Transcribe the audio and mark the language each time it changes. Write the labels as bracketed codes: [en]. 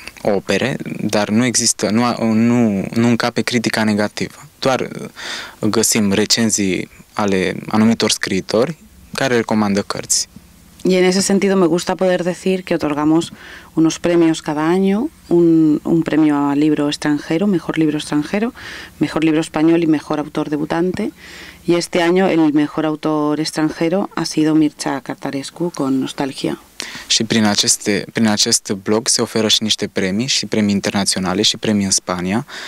[ro] opere, dar nu există, nu încape critica negativă. Doar găsim recenzii ale anumitor scriitori care recomandă cărți. [es] Y en ese sentido me gusta poder decir que otorgamos unos premios cada año, un premio a libro extranjero, mejor libro extranjero, mejor libro español y mejor autor debutante. Y este año el mejor autor extranjero ha sido Mircea Cărtărescu con Nostalgia. [ro] Și prin acest blog se oferă și niște premii, și premii internaționale, și premii în Spania.